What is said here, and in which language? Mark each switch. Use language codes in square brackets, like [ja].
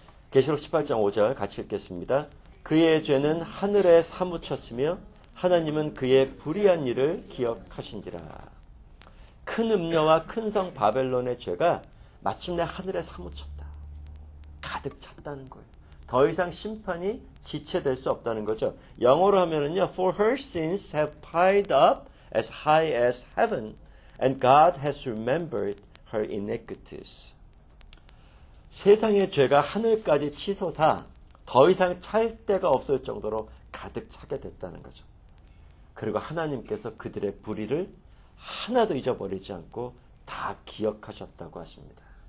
[ko] 계시록 18장 5절 같이 읽겠습니다. 그의 죄는 하늘에 사무쳤으며 하나님은 그의 불의한 일을 기억하신지라. 큰 음녀와 큰 성 바벨론의 죄가 마침내 하늘에 사무쳤다. 가득 찼다는 거예요. 더 이상 심판이 지체될 수 없다는 거죠. 영어로 하면은요, [en] For her sins have piled up as high as heaven, and God has remembered her iniquities. [ko] 세상의 죄가 하늘까지 치솟아 더 이상 찰 데가 없을 정도로 가득 차게 됐다는 거죠. 그리고 하나님께서 그들의 불의를 하나도 잊어버리지 않고 다 기억하셨다고 하십니다.